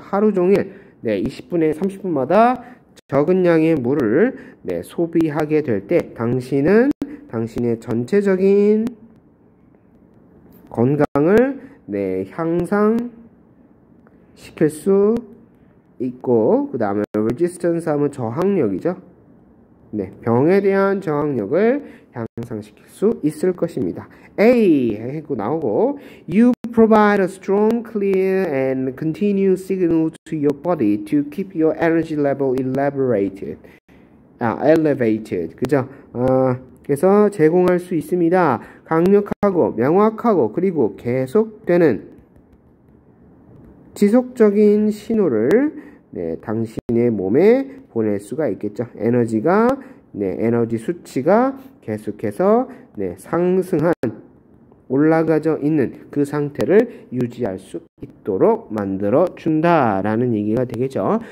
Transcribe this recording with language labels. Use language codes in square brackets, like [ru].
[ko] 하루 종일, 네, 20분에 30분마다 적은 양의 물을, 네, 소비하게 될 때, 당신은 당신의 전체적인 건강을, 네, 향상 시킬 수 있고, 그 다음에 resistance 하면 저항력이죠. 네, 병에 대한 저항력을 향상시킬 수 있을 것입니다. A 했고 나오고, [en] You provide a strong, clear, and continuous signal to your body to keep your energy level elevated. [ko] 그죠? 그래서 제공할 수 있습니다. 강력하고 명확하고 그리고 계속되는 지속적인 신호를 네, 당신의 몸에 보낼 수가 있겠죠. 에너지가 네, 에너지 수치가 계속해서 네, 상승한 올라가져 있는 그 상태를 유지할 수 있도록 만들어 준다라는 얘기가 되겠죠.